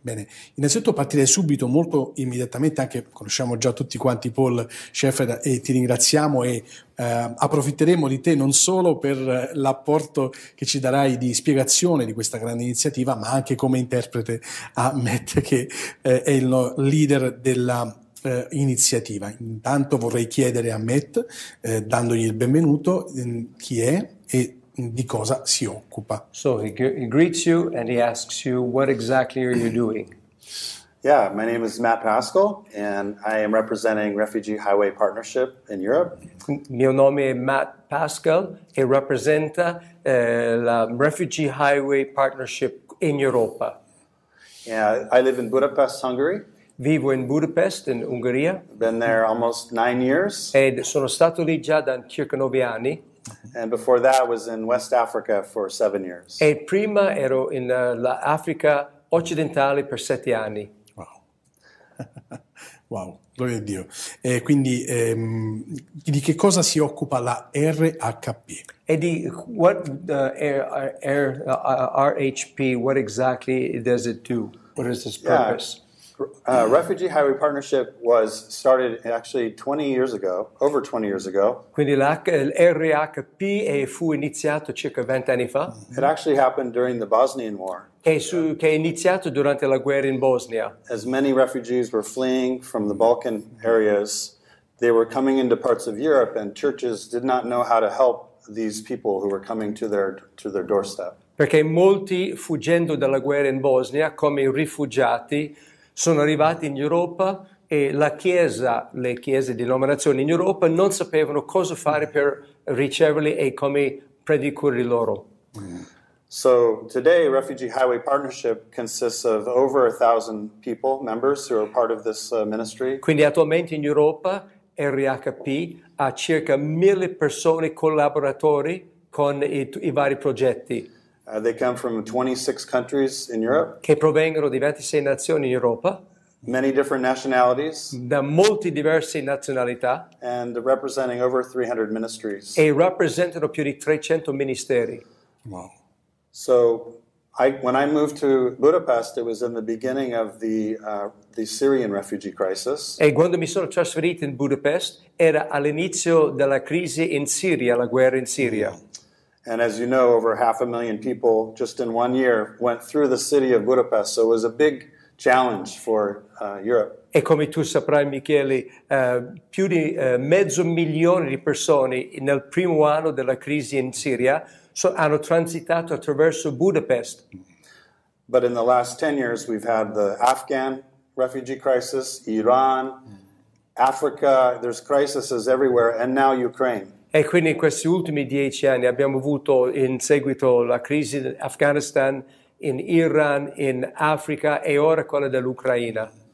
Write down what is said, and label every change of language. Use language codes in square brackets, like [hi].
[it] Bene, innanzitutto partirei subito, molto immediatamente, anche conosciamo già tutti quanti Paul Schaeffer e ti ringraziamo e approfitteremo di te non solo per l'apporto che ci darai di spiegazione di questa grande iniziativa, ma anche come interprete a Matt, che è il leader della iniziativa. Intanto vorrei chiedere a Matt, dandogli il benvenuto, chi è e di cosa si occupa. [en] So he greets you and he asks you, what exactly are you doing? Yeah, my name is Matt Pascal and I am representing Refugee Highway Partnership in Europe. [it] Mio nome è Matt Pascal e rappresenta la Refugee Highway Partnership in Europa. [en] Yeah, I live in Budapest, Hungary. [it] Vivo in Budapest, in Ungheria. [en] Been there almost 9 years. [it] Ed sono stato lì già da circa 9 anni. [en] And before that, I was in West Africa for 7 years. [it] E prima ero in l'Africa occidentale per 7 anni. Wow. Wow, gloria a Dio. Quindi, di che cosa si occupa la RHP? E di [en] what RHP, what exactly does it do? What is its purpose? Yeah. Refugee Highway Partnership was started actually 20 years ago, over 20 years ago. [it] Quindi RHP fu iniziato circa 20 anni fa. [en] It actually happened during the Bosnian War. [it] Che è iniziato durante la guerra in Bosnia. [en] As many refugees were fleeing from the Balkan areas, they were coming into parts of Europe and churches did not know how to help these people who were coming to their doorstep. [it] Perché molti, fuggendo dalla guerra in Bosnia, come rifugiati, sono arrivati in Europa e la Chiesa, le chiese di denominazione in Europa, non sapevano cosa fare per riceverli e come predicare loro. [en] So today, Refugee Highway Partnership consists of over 1,000 people, members who are part of this ministry. [it] Quindi attualmente in Europa, RHP ha circa 1,000 persone collaboratori con i vari progetti. [en] They come from 26 countries in Europe. [it] Che provengono di 26 nazioni in Europa. [en] Many different nationalities. [it] Da molti diverse nazionalità. [en] And representing over 300 ministries. [it] E rappresentano più di 300 ministeri. [en] Wow. So, when I moved to Budapest, it was in the beginning of the Syrian refugee crisis. [it] E quando mi sono trasferito in Budapest, era all'inizio della crisi in Siria, la guerra in Siria. [en] And as you know, over 500,000 people just in 1 year went through the city of Budapest. So it was a big challenge for Europe. [it] E come tu saprai, Michele, più di mezzo milione di persone nel primo anno della crisi in Siria hanno transitato attraverso Budapest. [en] But in the last 10 years we've had the Afghan refugee crisis, Iran, Africa, there's crises everywhere, and now Ukraine. [it] E quindi in questi ultimi 10 anni abbiamo avuto in seguito la crisi in Afghanistan, in Iran, in Africa e ora quella dell'Ucraina.